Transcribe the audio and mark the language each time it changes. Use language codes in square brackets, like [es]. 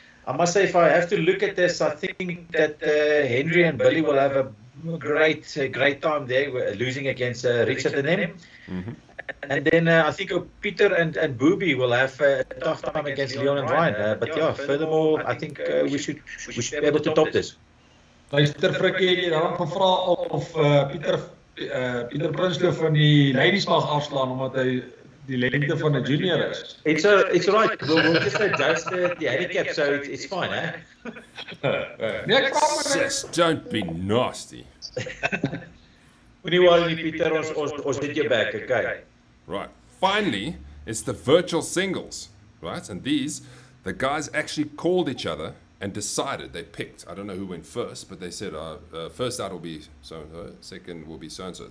[en] I must say, if I have to look at this, I think that Henry and Billy will have a great, great time there losing against Richard and them. Mm-hmm. And then I think Peter and Booby will have a tough time against Leon and Ryan. But yeah, furthermore, I think we should be able to top this. [af] Luister, Frikkie, jy het gevra of Pieter Prinsloo van die ladies mag afslaan omdat hy die lengte van 'n junior is. [en] It's right. We'll just adjust the handicap, so it's fine, eh? Sis, don't be nasty. [af] Wanneer wou jy Pieter ons dit jou back, okay? [en] Right. Finally, it's the virtual singles, right? And these, the guys actually called each other and decided, they picked, I don't know who went first, but they said first out will be so-and-so, second will be so-and-so.